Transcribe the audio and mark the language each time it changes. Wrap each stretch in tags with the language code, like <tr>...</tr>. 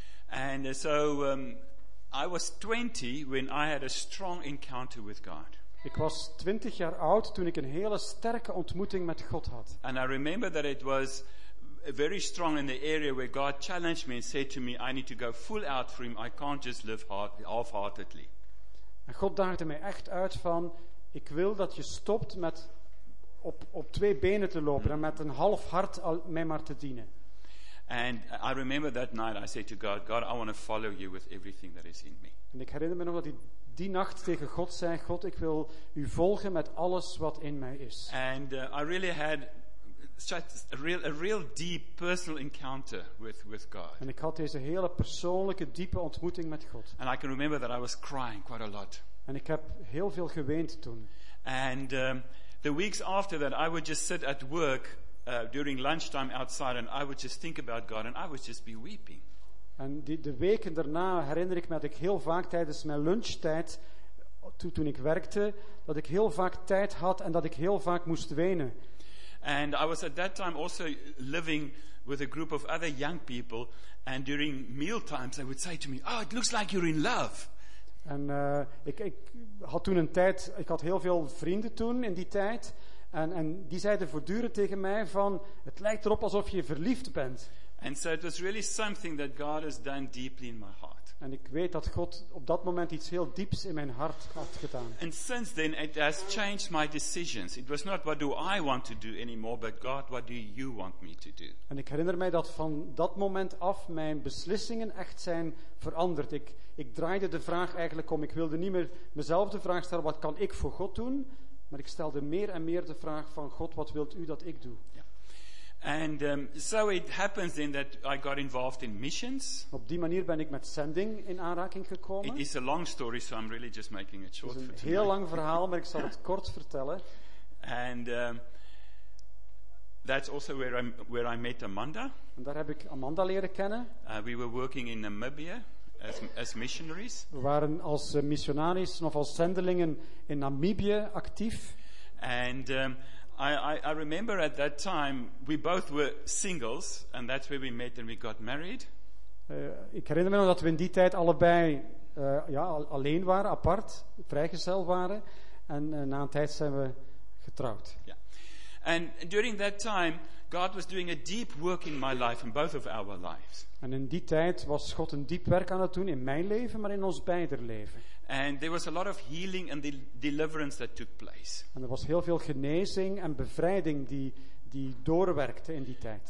<nl>Ja.</nl> <en>And so I was 20 when I had a strong encounter with God.</en> <nl>Ik was 20 jaar oud toen ik een hele sterke ontmoeting met God had.</nl> <en>And I remember that it was very strong in the area where God challenged me and said to me, I need to go full out for him. I can't just live half-heartedly.</en> <nl>En God daagde mij echt uit van, ik wil dat je stopt met op twee benen te lopen en met een half hart al mij maar te dienen.</nl> <en>And I remember that night I said to God, God, I want to follow you with everything that is in me.</en> <nl>En ik herinner me nog dat hij die nacht tegen God zei, God, ik wil u volgen met alles wat in mij is.</nl> <en>And I really had a real deep personal encounter with God.</en> <nl>En ik had deze hele persoonlijke diepe ontmoeting met God.</nl> <en>And I can remember that I was crying quite a lot.</en> <nl>En ik heb heel veel geweend toen.</nl> <en>And the weeks after that I would just sit at work during lunchtime outside and I would just think about God and I would just be weeping.</en> <nl>En de weken daarna herinner ik me dat ik heel vaak tijdens mijn lunchtijd, toen ik werkte, dat ik heel vaak tijd had en dat ik heel vaak moest wenen.</nl> <en>And I was at that time also living with a group of other young people, and during mealtimes they would say to me, oh, it looks like you're in love.</en> <nl>En ik had toen een tijd, ik had heel veel vrienden toen in die tijd, En die zeiden voortdurend tegen mij van, het lijkt erop alsof je verliefd bent.</nl> <en>And so it was really something that God has done deeply in my heart.</en> <nl>En ik weet dat God op dat moment iets heel dieps in mijn hart had gedaan.</nl> <en>And since then it has changed my decisions. It was not what do I want to do anymore, but God, what do you want me to do?</en> <nl>En ik herinner mij dat van dat moment af mijn beslissingen echt zijn veranderd. Ik draaide de vraag eigenlijk om. Ik wilde niet meer mezelf de vraag stellen, wat kan ik voor God doen? Maar ik stelde meer en meer de vraag van God, wat wilt u dat ik doe? Ja.</nl> <en>And so it happens then that I got involved in missions.</en> <nl>Op die manier ben ik met zending in aanraking gekomen.</nl> <en>It is a long story, so I'm really just making it short for tonight.</en> <nl>Het is een heel lang verhaal, maar ik zal het kort vertellen.</nl> <en>And that's also where I met Amanda.</en> <nl>En daar heb ik Amanda leren kennen.</nl> <en>We were working in Namibia as missionaries.</en> <nl>We waren als missionaris of als zendelingen in Namibië actief.</nl> <en>And I remember at that time we both were singles, and that's where we met and we got married.</en> <nl>Ik herinner me nog dat we in die tijd allebei alleen waren, apart, vrijgezel waren, en na een tijd zijn we getrouwd.</nl> <en>Yeah. And during that time God was doing a deep work in my life and both of our lives.</en> <nl>En in die tijd was God een diep werk aan het doen in mijn leven, maar in ons beider leven.</nl> <en>And there was a lot of healing and deliverance that took place.</en> <nl>En er was heel veel genezing en bevrijding die doorwerkte in die tijd.</nl>